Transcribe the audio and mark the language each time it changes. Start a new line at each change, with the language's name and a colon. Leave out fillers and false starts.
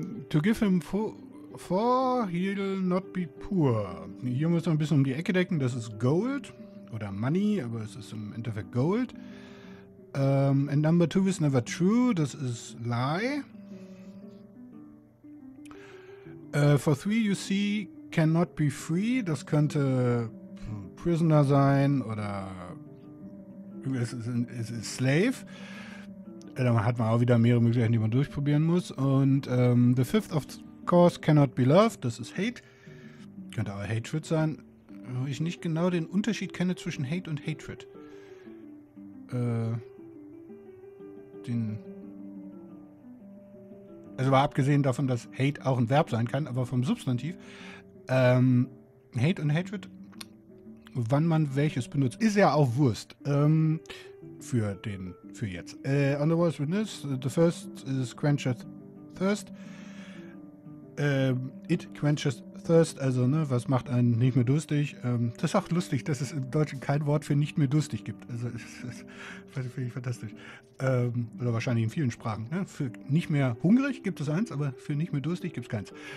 English: To give him four, he'll not be poor.
German: Hier muss man ein bisschen um die Ecke decken. Das ist Gold oder Money, aber es ist im Endeffekt Gold.
English: And number two is never true,
German: das ist
English: lie. For three you see cannot be free,
German: das könnte prisoner sein oder es ist slave. Da hat man auch wieder mehrere Möglichkeiten, die man durchprobieren muss. Und
English: the fifth of course cannot be loved,
German: das ist hate. Könnte auch hatred sein. Wo ich nicht genau den Unterschied kenne zwischen hate und hatred. Also war abgesehen davon, dass Hate auch ein Verb sein kann, aber vom Substantiv. Hate und Hatred, wann man welches benutzt, ist ja auch Wurst. Für jetzt.
English: On the Wall's Witness, the first is Quencheth Thirst. It quenches thirst,
German: also ne, was macht einen nicht mehr durstig? Das ist auch lustig, dass es im Deutschen kein Wort für nicht mehr durstig gibt. Also das finde ich fantastisch. Oder wahrscheinlich in vielen Sprachen. Ne? Für nicht mehr hungrig gibt es eins, aber für nicht mehr durstig gibt es keins.